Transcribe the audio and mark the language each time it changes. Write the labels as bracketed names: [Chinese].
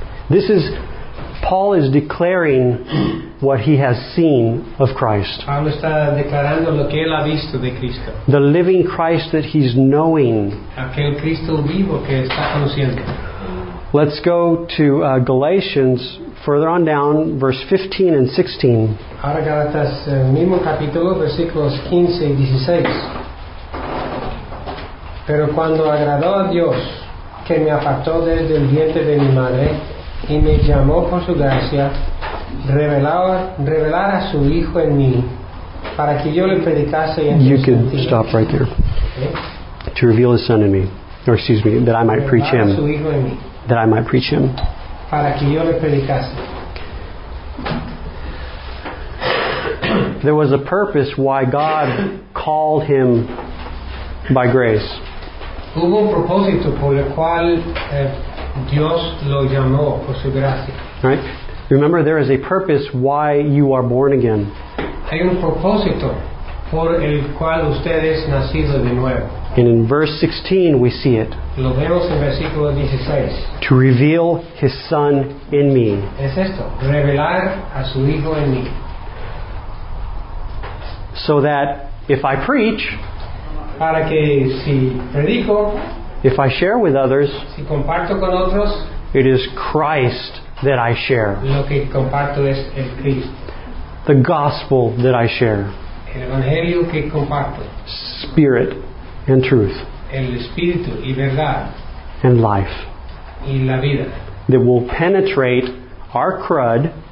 [English] This is Paul is declaring what he has seen of Christ. [Spanish] Pablo está declarando lo que él ha visto de Cristo. [English] The living Christ that he's knowing. [Spanish] Aquel Cristo vivo que está conociendo. [English] Let's go to Galatians, further on down, verse 15 and 16. [Spanish] Ahora Galatas, mismo capítulo, versículos 15 y 16. Pero cuando agradó a Dios, que me apartó desde el vientre de mi madre, y me llamó por su gracia, revelar a su Hijo en mí, para que yo le predicase en [English] you can sentido. Stop right there. Okay. To reveal his Son in me. Or excuse me, that I might preach him. [Spanish] Su Hijo en mí. [English] That I might preach him. [Spanish] Para que yo le predicase. [English] There was a purpose why God called him by grace. [Spanish] Hubo un propósito por el cual Dios lo llamó por su gracia. [English] Right? Remember, there is a purpose why you are born again. [Spanish] Hay un propósito por el cual usted es nacido de nuevo. [English] And in verse 16, we see it. [Spanish] Lo vemos en versículo 16. [English] To reveal his Son in me. [Spanish] Es esto, revelar a su Hijo en mí. [English] So that if I preach, [Spanish] para que si predico, [English] if I share with others, [Spanish] si comparto con otros, [English] it is Christ that I share. [Spanish] Lo que comparto es el Cristo. [English] The gospel that I share. [Spanish] El evangelio que comparto. [English] Spirit. And truth. [Spanish] El espíritu y verdad. [English] And life. [Spanish] Y la vida. [English] That will penetrate our crud.